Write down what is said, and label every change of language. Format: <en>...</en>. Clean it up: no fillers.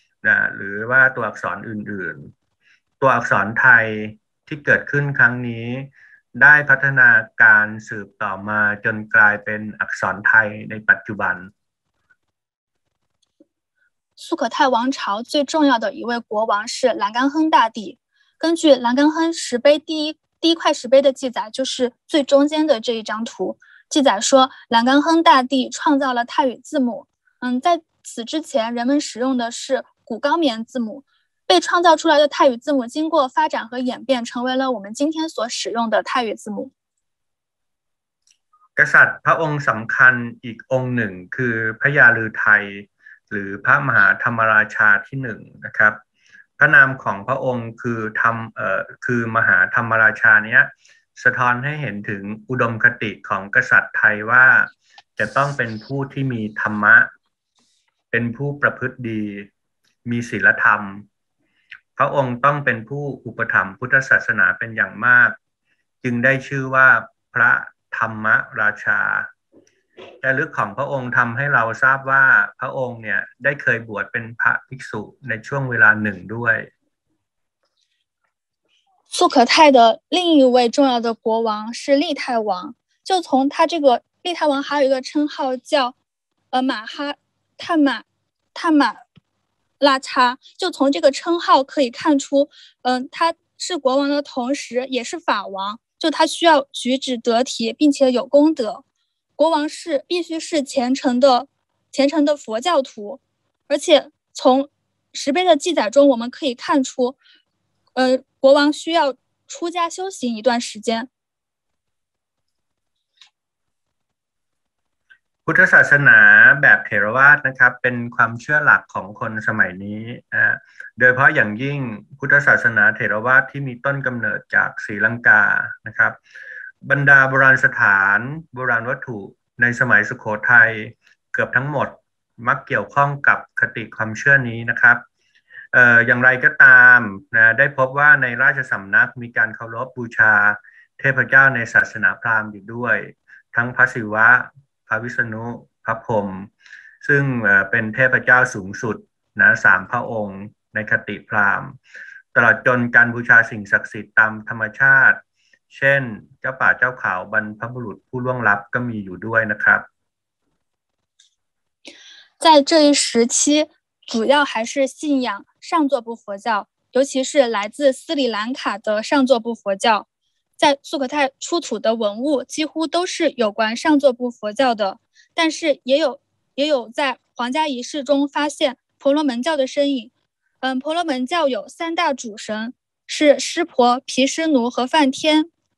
<th>นะหรือว่าตัวอักษรอื่นๆตัวอักษรไทยที่เกิดขึ้นครั้งนี้ได้พัฒนาการสืบต่อมาจนกลายเป็นอักษรไทยในปัจจุบัน</th> <zh>สุโขทัย王朝最重要的一位国王是兰甘亨大帝。根据兰甘亨石碑第一块石碑的记载，就是最中间的这一张图，记载说兰甘亨大帝创造了泰语字母。在此之前，人们使用的是古高棉字母。被创造出来的泰语字母，经过发展和演变，成为了我们今天所使用的泰语字母。</zh> <th>กษัตริย์พระองค์สำคัญอีกองค์หนึ่งคือพระยาลือไทยหรือพระมหาธรรมราชาที่หนึ่งนะครับพระนามของพระองค์ คือมหาธรรมราชาเนี้ยสะท้อนให้เห็นถึงอุดมคติของกษัตริย์ไทยว่าจะต้องเป็นผู้ที่มีธรรมะเป็นผู้ประพฤติดีมีศีลธรรมพระองค์ต้องเป็นผู้อุปถัมภ์พุทธศาสนาเป็นอย่างมากจึงได้ชื่อว่าพระธรรมราชาแต่ลึกของพระองค์ทำให้เราทราบว่าพระองค์เนี่ยได้เคยบวชเป็นพระภิกษุในช่วงเวลาหนึ่งด้วย</th> <zh>素可泰的另一位重要的国王是立泰王，就从他这个立泰王还有一个称号叫马哈泰马泰马拉叉，就从这个称号可以看出，他是国王的同时也是法王，就他需要举止得体，并且有功德。国王是必须是虔诚的佛教徒，而且从石碑的记载中我们可以看出，国王需要出家修行一段时间。</zh> <th>พุทธศาสนาแบบเถรวาทนะครับเป็นความเชื่อหลักของคนสมัยนี้โดยเฉพาะอย่างยิ่งพุทธศาสนาเถรวาทที่มีต้นกำเนิดจากศรีลังกานะครับบรรดาโบราณสถานโบราณวัตถุในสมัยสุโขทัยเกือบทั้งหมดมักเกี่ยวข้องกับคติความเชื่อนี้นะครับ อย่างไรก็ตามนะได้พบว่าในราชสำนักมีการเคารพบูชาเทพเจ้าในศาสนาพราหมณ์อยู่ด้วยทั้งพระศิวะพระวิษณุพระพรหมซึ่งเป็นเทพเจ้าสูงสุดนะ3พระองค์ในคติพราหมณ์ตลอดจนการบูชาสิ่งศักดิ์สิทธิ์ตามธรรมชาติเช่นเจ้าป่าเจ้าเขาบรรพบุรุษผู้ล่วงลับก็มีอยู่ด้วยนะครับ</th> <zh>在这一时期主要还是信仰上座部佛教尤其是来自斯里兰卡的上座部佛教在素可泰出土的文物几乎都是有关上座部佛教的但是也有在皇家仪式中发现婆罗门教的身影婆罗门教有三大主神是湿婆毗湿奴和梵天</zh>